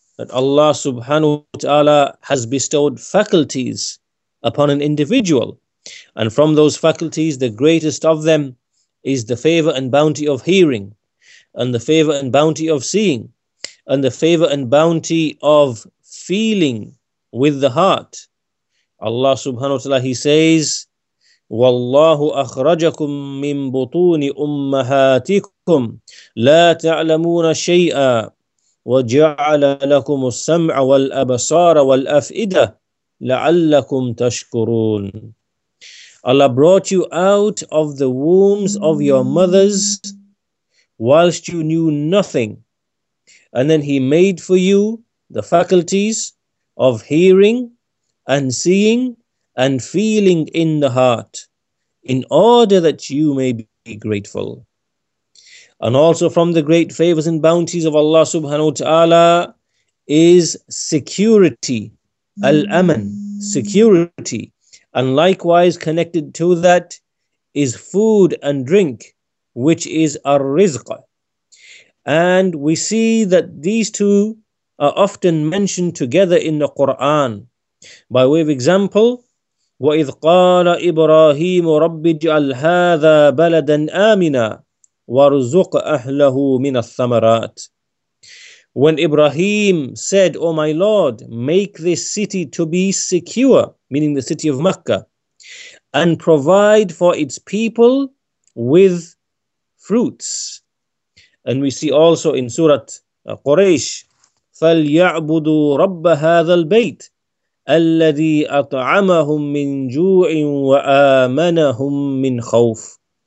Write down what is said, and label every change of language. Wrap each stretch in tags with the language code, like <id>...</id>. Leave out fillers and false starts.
<en>that Allah subhanahu wa ta'ala has bestowed faculties upon an individual. And from those faculties, the greatest of them is the favor and bounty of hearing, and the favor and bounty of seeing, and the favor and bounty of feeling with the heart.</en> <ar>Allah subhanahu wa ta'ala,</ar> <en>he says,</en> <ar>وَاللَّهُ أَخْرَجَكُمْ مِنْ بُطُونِ أُمَّهَاتِكُمْ لَا تَعْلَمُونَ شَيْئًا وَجَعَلَ لَكُمُ السَّمْعَ وَالْأَبْصَارَ وَالْأَفْئِدَةَ لَعَلَّكُمْ تَشْكُرُونَ.</ar> <en>Allah brought you out of the wombs of your mothers whilst you knew nothing, and then he made for you the faculties of hearing and seeing and feeling in the heart, in order that you may be grateful. And also from the great favors and bounties of Allah subhanahu wa ta'ala is security, al-aman, security. And likewise connected to that is food and drink, which is ar-rizq. And we see that these two are often mentioned together in the Quran. By way of example,</en> <ar>وَإِذْ قَالَ إِبْرَاهِيمُ رَبِّ اجْعَلْ هَذَا بَلَدًا آمِنًا وَارْزُقْ أَهْلَهُ مِنَ الثَّمَرَاتِ.</ar> <en>When Ibrahim said, O my Lord, make this city to be secure, meaning the city of Mecca, and provide for its people with fruits. And we see also in Surah Quraysh,</en> <ar>فَلْيَعْبُدُوا رَبَّ هَذَا الْبَيْتِ الَّذِي أَطْعَمَهُمْ مِنْ جُوعٍ وَآمَنَهُمْ مِنْ خَوْفٍ.</ar>